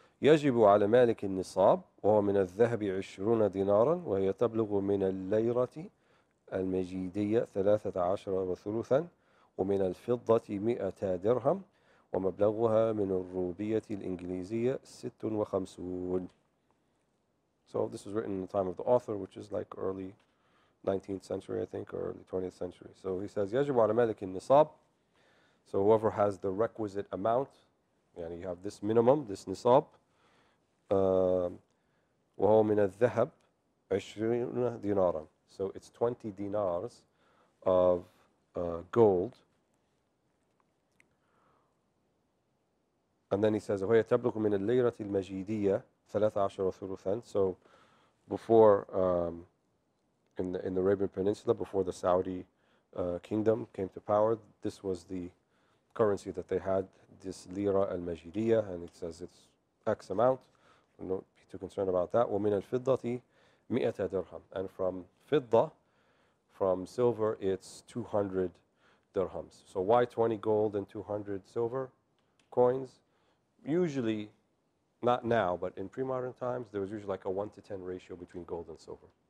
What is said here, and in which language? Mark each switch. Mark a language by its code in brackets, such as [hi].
[ar] يجب على مالك النصاب وهو من الذهب 20 دينارا وهي تبلغ من الليرة المجيدية 13.5 ومن الفضة 100 درهم ومبلغها من الروبية الإنجليزية 56. [en] So this was written in the time of the author, which is like early 19th century, I think, or early 20th century. So he says, [ar] يجب على مالك النصاب. [en] So whoever has the requisite amount, يعني you have this minimum, this nisab. [ar] وَهُوَ مِنَ الذَّهَبِ 20 دِنَارًا. [en] So it's 20 dinars of gold. And then he says, [ar] وَهِيَ تَبْلُغُ مِنَ اللَّيْرَةِ الْمَجِيدِيَةِ 13.5. [en] So before, in the Arabian Peninsula, before the Saudi kingdom came to power, this was the currency that they had, this lira al-majidiyya, and it says it's X amount. Don't be too concerned about that. [ar] وَمِنَ الْفِضَّةِ 100 dirham. [en] And from fidda, from silver, it's 200 dirhams. So why 20 gold and 200 silver coins? Usually, not now, but in pre-modern times, there was usually like a 1-to-10 ratio between gold and silver.